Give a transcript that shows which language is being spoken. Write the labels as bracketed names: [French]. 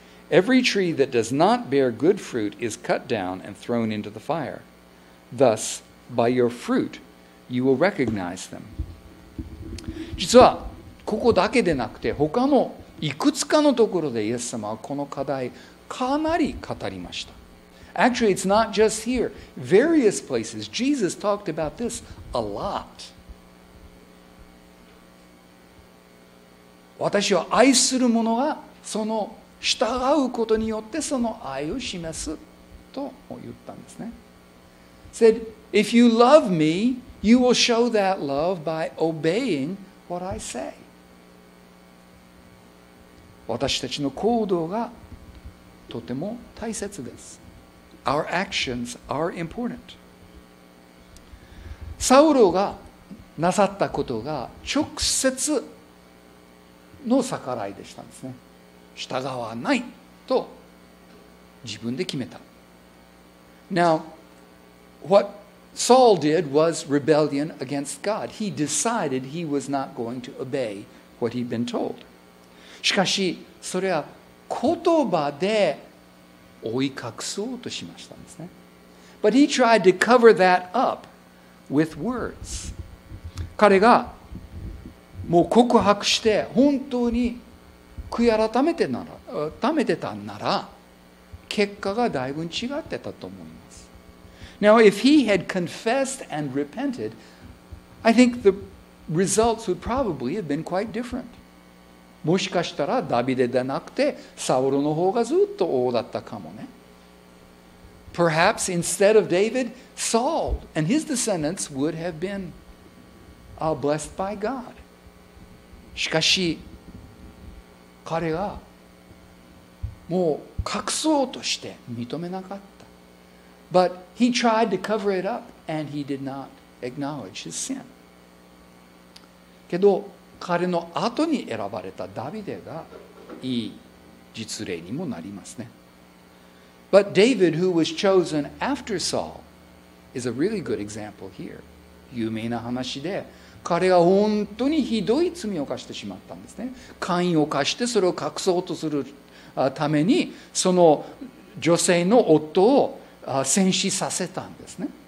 [English] Every tree that does not bear good fruit is cut down and thrown into the fire. Thus, by your fruit, you will recognize them. [Japanese] 実はここだけでなくて他のいくつかのところでイエス様はこの課題かなり語りました。 [English] Actually, it's not just here. Various places, Jesus talked about this a lot. [Japanese] 私は愛する者がその従うことによってその愛を示すと言ったんですね。 [English] Said, if you love me, you will show that love by obeying what I say. [Japanese] 私たちの行動がとても大切です。 [English] Our actions are important. [Japanese] サウロがなさったことが直接の逆らいでしたんですね。従わないと自分で決めた。 [English] Now, what Saul did was rebellion against God. He decided he was not going to obey what he'd been told. [Japanese] しかし、それは言葉で追い隠そうとしましたんですね。 [English] But he tried to cover that up with words. [Japanese] 彼がもう告白して本当に悔い改めてなら、改めてたなら結果がだいぶ違ってたと思います。 [English] Now, if he had confessed and repented, I think the results would probably have been quite different. [Japanese] もしかしたらダビデでなくてサウロの方がずっと王だったかもね。 [English] Perhaps instead of David, Saul and his descendants would have been blessed by God. [Japanese] しかし彼がもう隠そうとして認めなかった。 [English] But he tried to cover it up and he did not acknowledge his sin. [Japanese] けど彼の後に選ばれたダビデがいい実例にもなりますね。 [English] But David, who was chosen after Saul, is a really good example here. [Japanese] 有名な話で彼が本当にひどい罪を犯してしまったんですね。姦淫を犯してそれを隠そうとするためにその女性の夫を戦死させたんですね。